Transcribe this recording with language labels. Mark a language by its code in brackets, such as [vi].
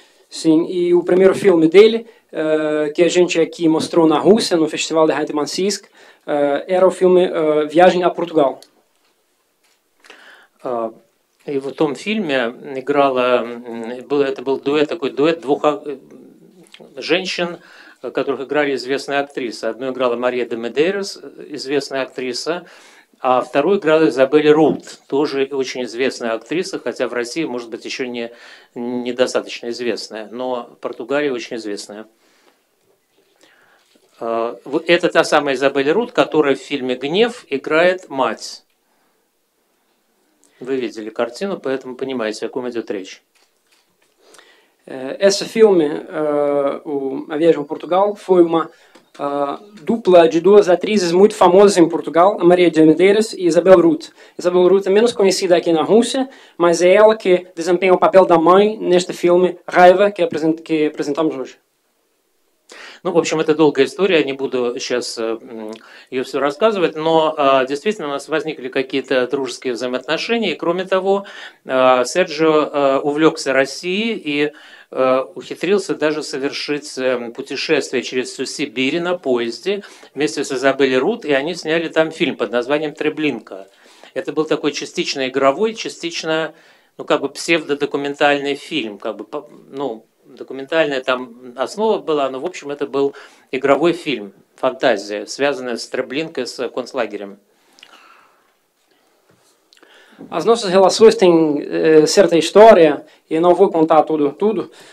[pt] Sim, e o primeiro filme dele, que a gente aqui mostrou na Rússia, no Festival de Hantemansisk, era o filme Viagem a Portugal. [ru] И в том фильме играла, это был дуэт, такой дуэт двух женщин, которых играли известные актрисы. Одну играла Мария де Медейрос, известная актриса, а вторую играла Изабель Рут, тоже очень известная актриса, хотя в России, может быть, еще недостаточно известная, но в Португалии очень известная. Это та самая Изабель Рут, которая в фильме «Гнев» играет мать. Вы видели картину, поэтому понимаете, о ком идет речь. [pt] Esse filme, A Viagem ao Portugal, foi uma dupla de duas atrizes muito famosas em Portugal, a Maria de Medeiros e Isabel Ruth. Isabel Ruth é menos conhecida aqui na Rússia, mas é ela que desempenha o papel da mãe neste filme Raiva, que apresentamos hoje. [ru] Ну, в общем, это долгая история, не буду сейчас ее все рассказывать, но действительно у нас возникли какие-то дружеские взаимоотношения. И, кроме того, Серджио увлекся Россией и ухитрился даже совершить путешествие через всю Сибирь на поезде вместе с Изабель Рут, и они сняли там фильм под названием «Треблинка». Это был такой частично игровой, частично, ну, как бы псевдодокументальный фильм, как бы, ну, документальная там основа была, но, в общем, это был игровой фильм, фантазия, связанная с Треблинкой, с концлагерем. [pt] As nossas relações têm certa história, e não vou contar tudo, tudo.